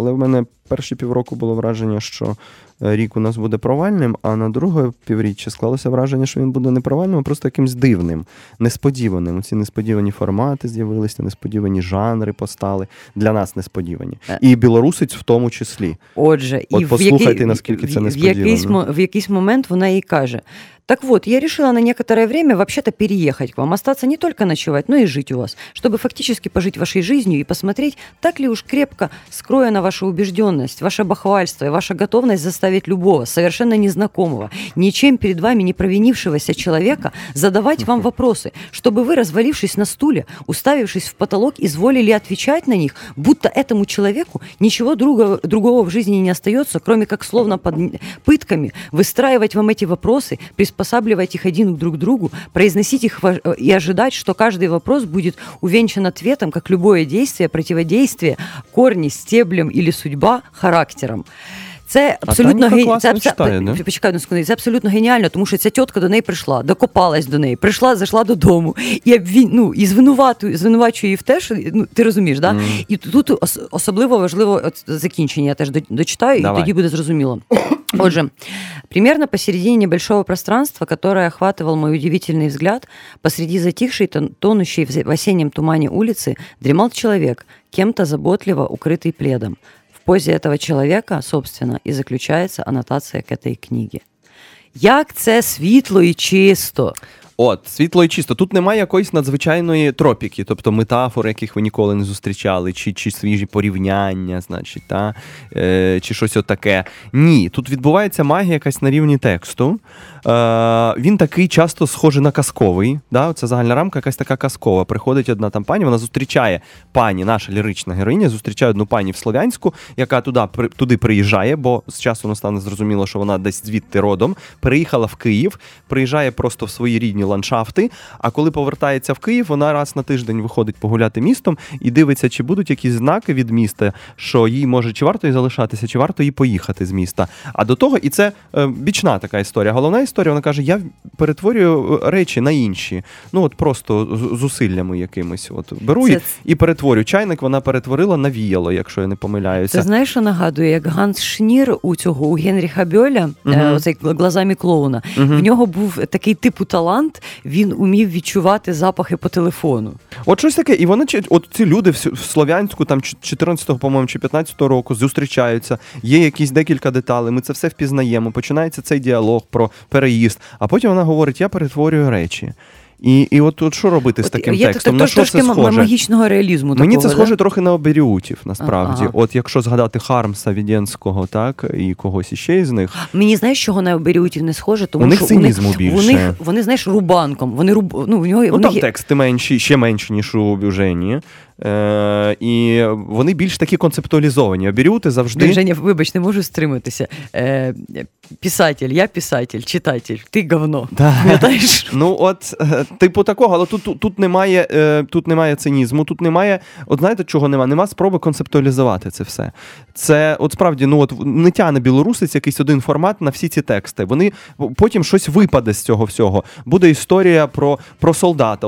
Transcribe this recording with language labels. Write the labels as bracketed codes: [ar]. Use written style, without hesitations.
[uk] Але в мене перші півроку було враження, що рік у нас буде провальним, а на друге півріччя склалося враження, що він буде не провальним, а просто якимсь дивним, несподіваним. Ці несподівані формати з'явилися, несподівані жанри постали, для нас несподівані. І білорусець в тому числі. Отже, от і послухайте, наскільки це несподівано. [ru] В якийсь момент вона їй каже, так от, я рішила на некоторое время вообще-то переехать к вам, остаться не только ночевать, но и жить у вас, чтобы фактически пожить вашей жизнью и посмотреть, так ли уж крепко скроена ваша убежденность, ваше бахвальство и ваша готовность заставить любого, совершенно незнакомого, ничем перед вами не провинившегося человека, задавать вам вопросы, чтобы вы, развалившись на стуле, уставившись в потолок, изволили отвечать на них, будто этому человеку ничего другого в жизни не остается, кроме как словно под пытками выстраивать вам эти вопросы, приспосабливать их один друг к другу, произносить их и ожидать, что каждый вопрос будет увенчан ответом, как любое действие, противодействие, корни, стеблем или судьба, характером. [uk] Це абсолютно це абсолютно геніально, тому що ця тітка до неї прийшла, докопалась до неї, прийшла, зайшла додому і, ну, і звинувачує її в те, що, ну, ти розумієш, да? І тут особливо важливо закінчення, я теж дочитаю, давай. І тоді буде зрозуміло. [ru] Отже, примерно посередине небольшого пространства, которое охватывал мой удивительный взгляд, посреди затихшей, тонущей в осеннем тумане улицы, дремал человек, кем-то заботливо укрытый пледом. В позе этого человека, собственно, и заключается аннотация к этой книге. [uk] Як це світло і чисто! От, світло і чисто. Тут немає якоїсь надзвичайної тропіки, тобто метафор, яких ви ніколи не зустрічали, чи свіжі порівняння, значить, та, чи щось отаке. Ні, тут відбувається магія якась на рівні тексту. Він такий часто схожий на казковий. Да? Оця загальна рамка якась така казкова. Приходить одна там пані, вона зустрічає пані, наша лірична героїня, зустрічає одну пані в Слов'янську, яка туди приїжджає, бо з часу стане зрозуміло, що вона десь звідти родом, переїхала в Київ, приїжджає просто в свої рідні ландшафти, а коли повертається в Київ, вона раз на тиждень виходить погуляти містом і дивиться, чи будуть якісь знаки від міста, що їй може, чи варто їй залишатися, чи варто їй поїхати з міста. А до того, і це бічна така історія. Головна історія, вона каже, я перетворюю речі на інші. Ну, от просто зусиллями якимись. От, беру це... і перетворю. Чайник вона перетворила на віяло, якщо я не помиляюся. Це знаєш, що нагадує, як Ганс Шнір у цього, у Генріха Бьоля, оцей глазами клоуна, в нього був такий типу талант, він умів відчувати запахи по телефону. От щось таке, і вони, от ці люди в Слов'янську, там, 14-го, по-моєму, чи 15-го року, зустрічаються, є якісь декілька деталей, ми це все впізнаємо, починається цей діалог про переїзд, а потім вона говорить, я перетворюю речі. І от що робити з таким текстом? На що це схоже? Магічного реалізму такого, мені це схоже трохи на Оберіутів, насправді. От якщо згадати Хармса Віденського, так, і когось іще із них. Мені, знаєш, чого на Оберіутів не схоже, тому у них що цинізму більше. Вони, знаєш, рубанком, вони там тексти менші, ще менші, ніж у Бюжені. І вони більш такі концептуалізовані. Оберіути завжди. Женя, вибач, не можу стриматися. [ru] Писатель, я писатель, читатель, ти говно. [uk] Да. Знаєш? Ну, от, типу такого, але тут немає цинізму, тут немає, от знаєте, чого немає? Нема спроби концептуалізувати це все. Це, от справді, ну, от не тяне білорусець якийсь один формат на всі ці тексти. Вони, потім щось випаде з цього всього. Буде історія про солдата.